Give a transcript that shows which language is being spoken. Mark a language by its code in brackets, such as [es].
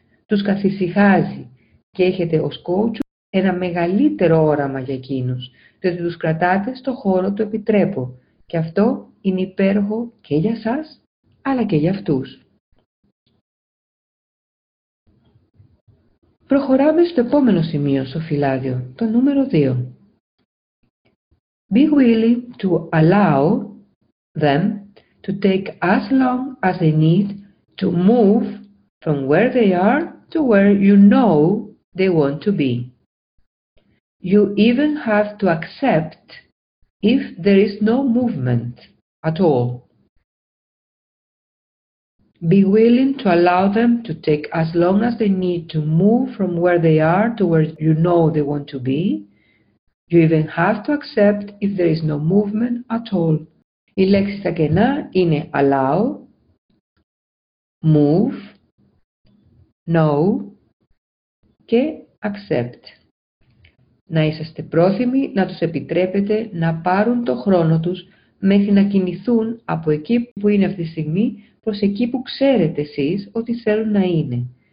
[el] Τους καθησυχάζει και έχετε ως coach ένα μεγαλύτερο όραμα για εκείνους, διότι τους κρατάτε στο χώρο του επιτρέπω. Και αυτό είναι υπέροχο και για σας, αλλά και για αυτούς. Προχωράμε στο επόμενο σημείο στο φυλάδιο, το νούμερο 2. [en] Be willing to allow them to take as long as they need to move from where they are to where you know they want to be. You even have to accept if there is no movement at all. Be willing to allow them to take as long as they need to move from where they are to where you know they want to be. You even have to accept if there is no movement at all. [el] Οι λέξεις στα κενά είναι allow, move, know και accept. Να είσαστε πρόθυμοι να τους επιτρέπετε να πάρουν το χρόνο τους μέχρι να κινηθούν από εκεί που είναι αυτή τη στιγμή προς εκεί που ξέρετε εσείς ότι θέλουν να είναι.